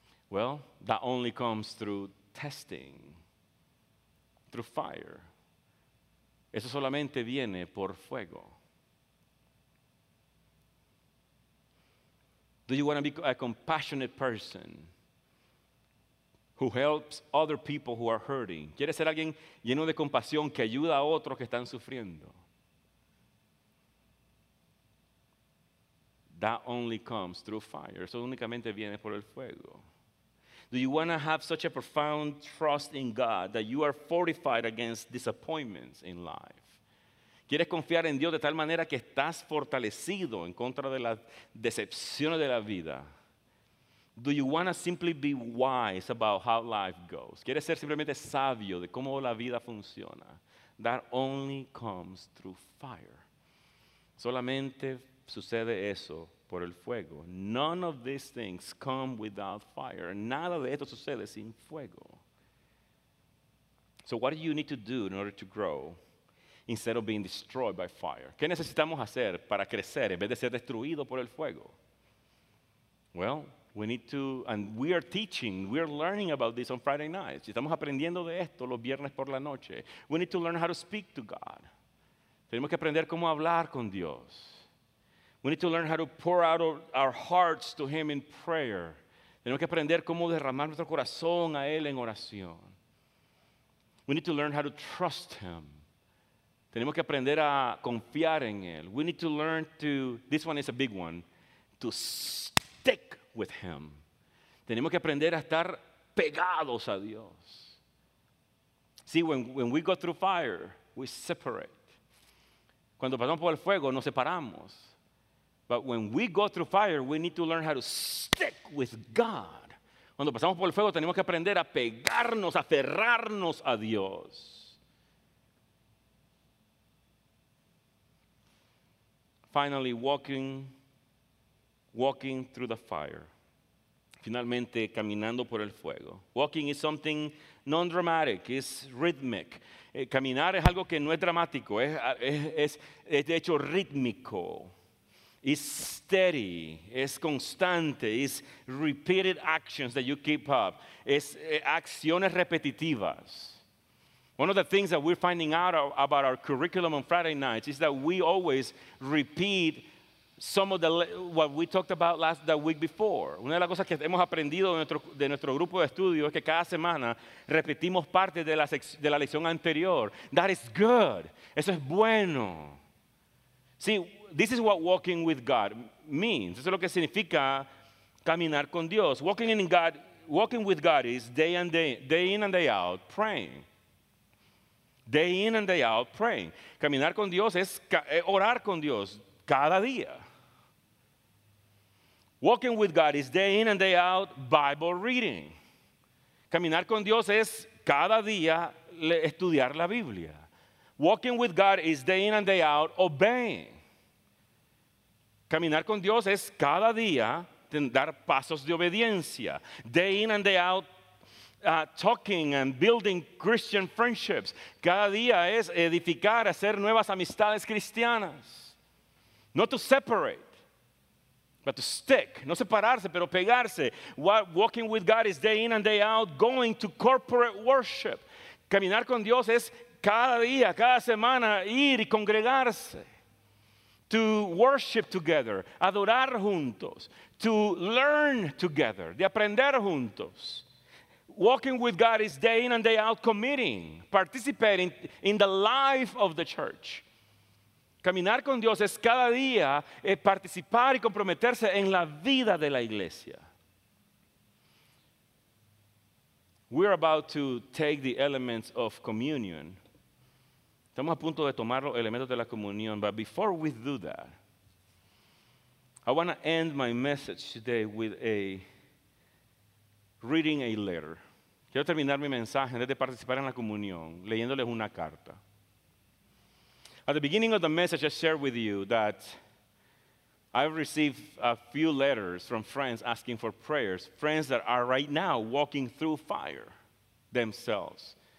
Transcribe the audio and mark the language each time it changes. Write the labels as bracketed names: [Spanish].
[English] Well, that only comes through testing, through fire. [Spanish] Eso solamente viene por fuego. [English] Do you want to be a compassionate person who helps other people who are hurting? [Spanish] ¿Quieres ser alguien lleno de compasión que ayuda a otros que están sufriendo? [English] That only comes through fire. [Spanish] Eso únicamente viene por el fuego. [English] Do you want to have such a profound trust in God that you are fortified against disappointments in life? [Spanish] ¿Quieres confiar en Dios de tal manera que estás fortalecido en contra de las decepciones de la vida? [English] Do you want to simply be wise about how life goes? [Spanish] ¿Quieres ser simplemente sabio de cómo la vida funciona? [English] That only comes through fire. [Spanish] Solamente sucede eso por el fuego. [English] None of these things come without fire. [Spanish] Nada de esto sucede sin fuego. [English] So what do you need to do in order to grow instead of being destroyed by fire? [Spanish] ¿Qué necesitamos hacer para crecer en vez de ser destruido por el fuego? [English] Well, we need to, and we are teaching, we are learning about this on Friday nights. [Spanish] Estamos aprendiendo de esto los viernes por la noche. [English] We need to learn how to speak to God. [Spanish] Tenemos que aprender cómo hablar con Dios. [English] We need to learn how to pour out our hearts to him in prayer. [Spanish] Tenemos que aprender cómo derramar nuestro corazón a él en oración. [English] We need to learn how to trust him. [Spanish] Tenemos que aprender a confiar en él. [English] We need to learn to, this one is a big one, to stick with him. [Spanish] Tenemos que aprender a estar pegados a Dios. [English] See, when we go through fire, we separate. [Spanish] Cuando pasamos por el fuego, nos separamos. [English] But when we go through fire, we need to learn how to stick with God. [Spanish] Cuando pasamos por el fuego, tenemos que aprender a pegarnos, a aferrarnos a Dios. [English] Finally, walking through the fire. [Spanish] Finalmente, caminando por el fuego. [English] Walking is something non-dramatic, it's rhythmic. [Spanish] Caminar es algo que no es dramático, es de hecho rítmico. [English] It's steady, it's constante, it's repeated actions that you keep up. It's [Spanish] acciones repetitivas. [English] One of the things that we're finding out about our curriculum on Friday nights is that we always repeat some of what we talked about the week before. [Spanish] Una de las cosas que hemos aprendido de nuestro grupo de estudio es que cada semana repetimos parte de la lección anterior. [English] That is good. [Spanish] Eso es bueno. [English] See, this is what walking with God means. [Spanish] Eso es lo que significa caminar con Dios. [English] Walking in God walking with God is day in and day out praying. Day in and day out praying. [Spanish] Caminar con Dios es orar con Dios cada día. [English] Walking with God is day in and day out Bible reading. [Spanish] Caminar con Dios es cada día estudiar la Biblia. [English] Walking with God is day in and day out obeying. [Spanish] Caminar con Dios es cada día dar pasos de obediencia. [English] Day in and day out talking and building Christian friendships. [Spanish] Cada día es edificar, hacer nuevas amistades cristianas. [English] Not to separate, but to stick, [Spanish] no separarse, pero pegarse. [English] Walking with God is day in and day out going to corporate worship. [Spanish] Caminar con Dios es cada día, cada semana, ir y congregarse. [English] To worship together, [Spanish] adorar juntos. [English] To learn together, [Spanish] de aprender juntos. [English] Walking with God is day in and day out committing, participating in the life of the church. [Spanish] Caminar con Dios es cada día participar y comprometerse en la vida de la iglesia. [English] We're about to take the elements of communion. [Spanish] Estamos a punto de tomar los elementos de la comunión. [English] But before we do that, I want to end my message today with reading a letter. [Spanish] Quiero terminar mi mensaje en vez de participar en la comunión leyéndoles una carta. [English] At the beginning of the message, I shared with you that I've received a few letters from friends asking for prayers, friends that are right now walking through fire themselves.